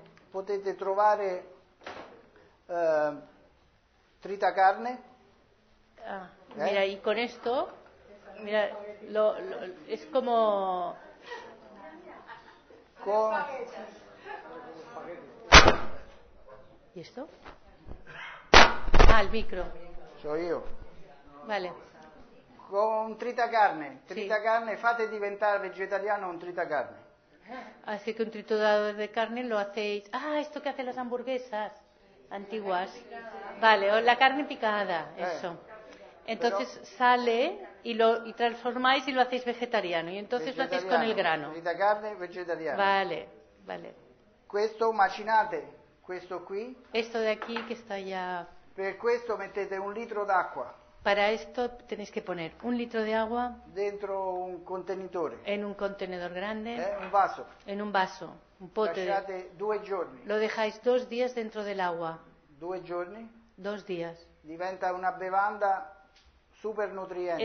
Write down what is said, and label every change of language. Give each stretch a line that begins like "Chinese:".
Italian: Potete trovare tritacarne.
Spanish: Ah, mira, y con esto, mira, lo es como con... ¿Y esto? Ah, el micro. Soy yo. Vale.
Italian: Con un tritacarne, tritacarne, sí. Fate diventar vegetariano un tritacarne.
Spanish: Así que un triturado de carne lo hacéis. Ah, esto que hacen las hamburguesas antiguas. Vale, o la carne picada, eso. Entonces pero sale y transformáis y lo hacéis vegetariano. Y entonces lo hacéis con el grano.
Italian: Tritacarne vegetariano.
Spanish: Vale, vale.
Italian: Questo macinate, questo qui.
Spanish: Esto de aquí que está ya.
Italian: Per questo mettete un litro d'acqua.
Spanish: Para esto tenéis que poner un litro de agua
Italian: dentro un contenedor.
Spanish: En un contenedor grande.
Italian: Un vaso.
Spanish: En un vaso, un pote.
Italian: Lasciate due giorni.
Spanish: Lo dejáis dos días dentro del agua.
Italian: Due giorni.
Spanish: Dos días.
Italian: Diventa una bevanda super nutriente.